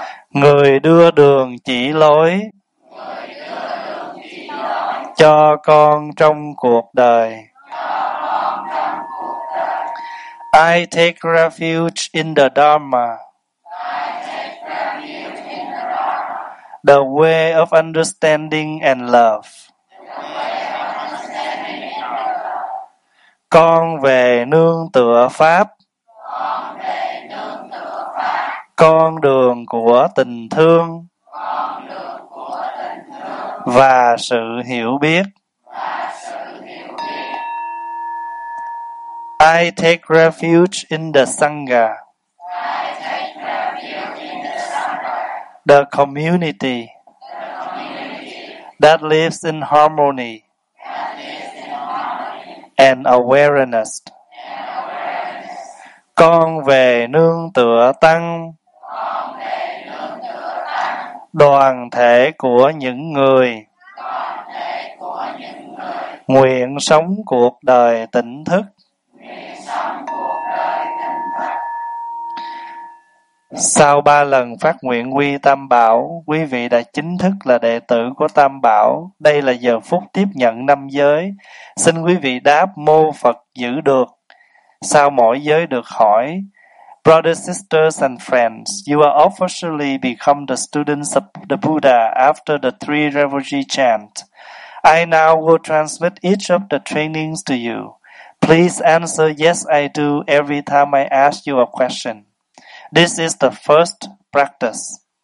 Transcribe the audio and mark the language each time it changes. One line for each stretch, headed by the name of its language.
Vietnamese: Người đưa đường chỉ lối cho con trong cuộc đời.
English: I take refuge in the Dharma, the way of understanding and love.
Vietnamese: Con về nương tựa Pháp. Con đường của tình thương và sự hiểu biết.
English: I take refuge in the Sangha, the community that lives in harmony and awareness.
Vietnamese: Con về nương tựa Tăng, đoàn thể của những người nguyện sống cuộc đời tỉnh thức. Sau 3 lần phát nguyện quy Tam Bảo, quý vị đã chính thức là đệ tử của Tam Bảo. Đây là giờ phút tiếp nhận năm giới. Xin quý vị đáp mô Phật giữ được sau mỗi giới được hỏi.
English: Brothers, sisters, and friends, you are officially become the students of the Buddha after the three refuge chant. I now will transmit each of the trainings to you. Please answer yes, I do every time I ask you a question. This is the first practice.